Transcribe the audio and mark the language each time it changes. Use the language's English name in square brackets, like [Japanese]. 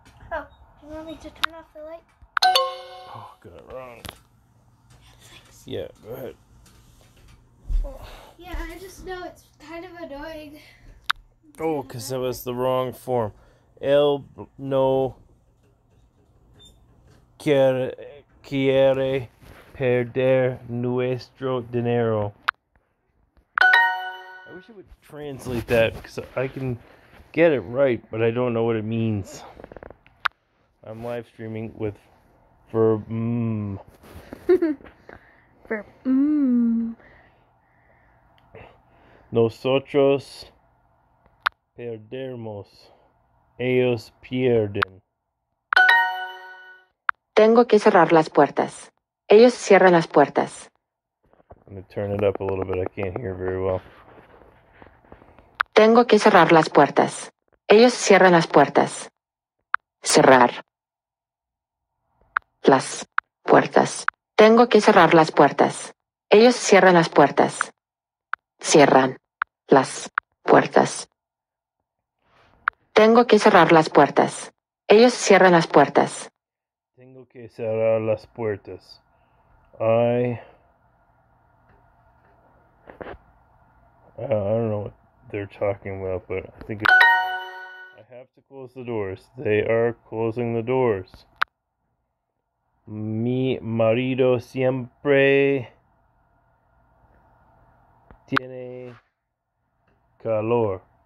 [English] Oh, do you want me to turn off the light? Oh, got it wrong. Yeah, go ahead. Yeah, I just know it's kind of annoying. Oh, because that was the wrong form. [Spanish] No quiere perder nuestro dinero. [English] I wish it would translate that, because I can get it right, but I don't know what it means. I'm live streaming with verb [Spanish] Nosotros perdemos. Ellos pierden. Tengo que cerrar las puertas. Ellos cierran las puertas. [English] I'm going to turn it up a little bit. I can't hear very well. [Spanish] Tengo que cerrar las puertas. Ellos cierran las puertas. Cerrar. Las puertas. Tengo que cerrar las puertas. Ellos cierran las puertas. Cierran las puertas. Tengo que cerrar las puertas. Ellos cierran las puertas. Tengo que cerrar las puertas. [English] I don't know what they're talking about, but I think it's... I have to close the doors. They are closing the doors. [Spanish] Mi marido siempre tiene calor.